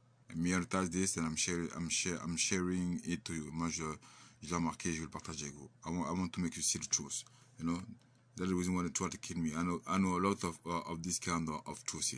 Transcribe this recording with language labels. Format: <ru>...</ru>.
<en>And me noticed this, and I'm sharing it to you.</en> <fr>Moi, je l'ai remarqué, je vais le partager avec vous.</fr> <en>I want to make you see the truth, you know? That's the reason why they try to kill me. I know a lot of this kind of truth.</en>